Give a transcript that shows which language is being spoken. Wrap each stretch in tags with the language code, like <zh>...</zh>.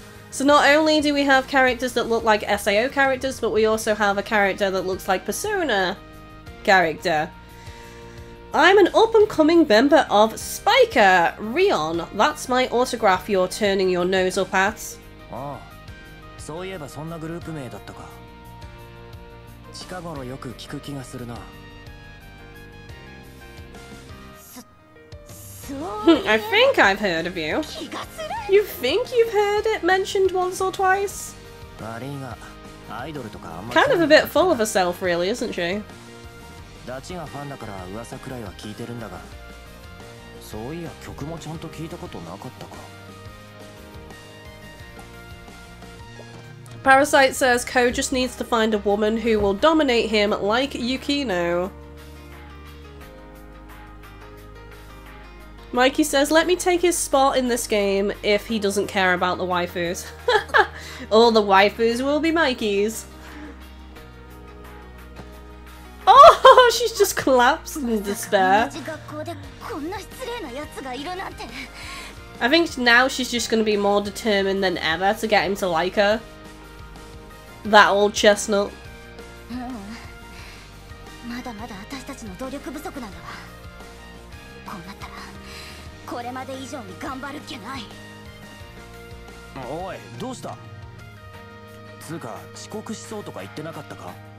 <en>So not only do we have characters that look like SAO characters, but we also have a character that looks like Persona character. I'm an up-and-coming member of Spiker, Rion. That's my autograph you're turning your nose up at.</en> <ja>Ah, そういえばそんなグループ名だったか。近頃よく聞く気がするな。</ja> <en>I think I've heard of you. You think you've heard it mentioned once or twice? Kind of a bit full of herself, really, isn't she?</en> <ja>ダチがファンだから噂くらいは聞いてるんだが、そういや曲もちゃんと聞いたことなかったか。</ja> <en>Parasite says Kou just needs to find a woman who will dominate him like Yukino. Mikey says, let me take his spot in this game if he doesn't care about the waifus. All the waifus will be Mikey's. Oh, she's just collapsed in despair. I think now she's just going to be more determined than ever to get him to like her. That old chestnut.</en> <ja>まだまだ私たちの努力不足なんだわ。こうなったらこれまで以上に頑張るっきゃない。おい、どうした？つうか遅刻しそうとか言ってなかったか？</ja>